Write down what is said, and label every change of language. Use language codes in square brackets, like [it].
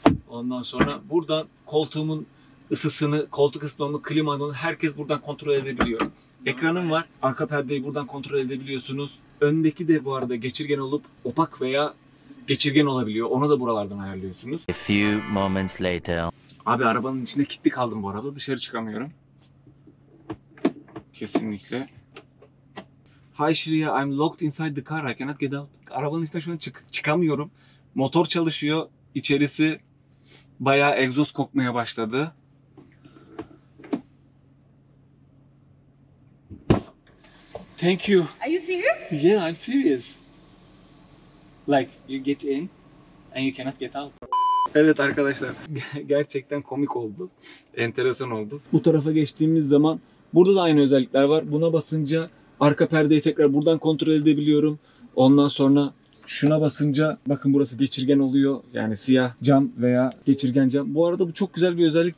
[tr] Ondan sonra buradan koltuğumun ısısını, koltuk ısıtmamı, klimanı herkes buradan kontrol edebiliyor. Ekranım var. Arka perdeyi buradan kontrol edebiliyorsunuz. Öndeki de bu arada geçirgen olup opak veya geçirgen olabiliyor. Onu da buralardan ayarlıyorsunuz. [en] A few moments later. [tr] Abi arabanın içinde kilitli kaldım bu arada. Dışarı çıkamıyorum. Kesinlikle. [en] Hi Shreya, I'm locked inside the car. I cannot get out. [tr] Arabanın içinde şu an çıkamıyorum. Motor çalışıyor. İçerisi bayağı egzoz kokmaya başladı. [en] Thank you. Are you serious? Yeah, I'm serious. Like you get in and you cannot get out. [tr] Evet arkadaşlar, gerçekten komik oldu. Enteresan oldu. Bu tarafa geçtiğimiz zaman burada da aynı özellikler var. Buna basınca arka perdeyi tekrar buradan kontrol edebiliyorum. Ondan sonra şuna basınca bakın burası geçirgen oluyor. Yani siyah cam veya geçirgen cam. Bu arada bu çok güzel bir özellik.